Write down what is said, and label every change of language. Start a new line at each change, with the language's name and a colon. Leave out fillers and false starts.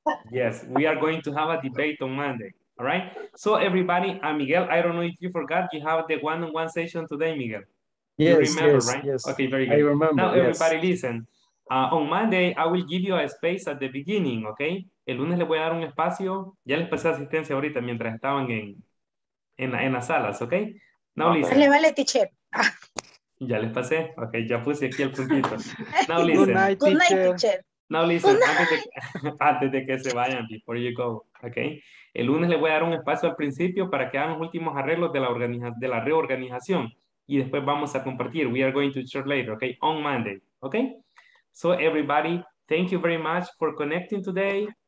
English: Yes, we are going to have a debate on Monday. All right? So everybody, Miguel, I don't know if you forgot, you have the one-on-one session today, Miguel. Yes, remember, yes, right? Yes. Okay, very good. I remember, now, yes. Everybody listen. On Monday, I will give you a space at the beginning, okay?
Spanish: El lunes le voy a dar un espacio. Ya les pasé asistencia ahorita mientras estaban en las salas, okay?
English: Now listen.
Spanish: Vale, teacher. Ya les pasé. Okay, ya puse aquí el puntito.
English: Now listen. Good night, teacher. Now listen,
Spanish: antes de que se vayan,
English: before you go, okay?
Spanish: El lunes le voy a dar un espacio al principio para que hagan los últimos arreglos de la reorganización. Y después vamos a compartir.
English: We are going to share later, okay? On Monday, okay? So everybody, thank you very much for connecting today.